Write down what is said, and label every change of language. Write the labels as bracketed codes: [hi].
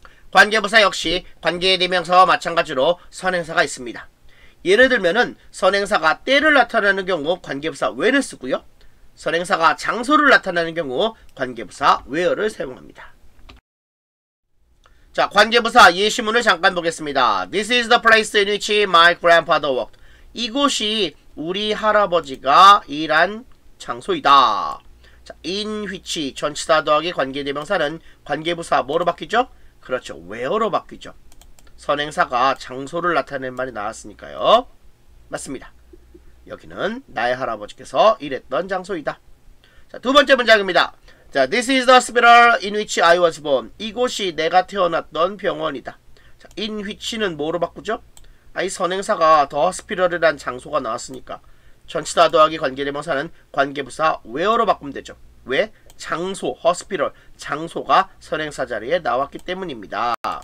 [ko] 관계부사 역시 관계대명사와 마찬가지로 선행사가 있습니다. 예를 들면은 선행사가 때를 나타내는 경우 관계부사 when을 쓰고요. 선행사가 장소를 나타내는 경우 관계부사 where를 사용합니다. 자, 관계부사 예시문을 잠깐 보겠습니다. [en] This is the place in which my grandfather worked. [ko] 이곳이 우리 할아버지가 일한 장소이다. 자, in which 전치사 더하기 관계대명사는 관계부사 뭐로 바뀌죠? 그렇죠. where로 바뀌죠. 선행사가 장소를 나타낸 말이 나왔으니까요. 맞습니다. 여기는 나의 할아버지께서 일했던 장소이다. 자, 두 번째 문장입니다. [en] 자, This is the hospital in which I was born. [ko] 이곳이 내가 태어났던 병원이다. 자, in which는 뭐로 바꾸죠? 이 선행사가 the hospital이라는 장소가 나왔으니까 전치사 더하기 관계대명사는 관계부사 where로 바꾸면 되죠. 왜? 장소, hospital, 장소가 선행사 자리에 나왔기 때문입니다.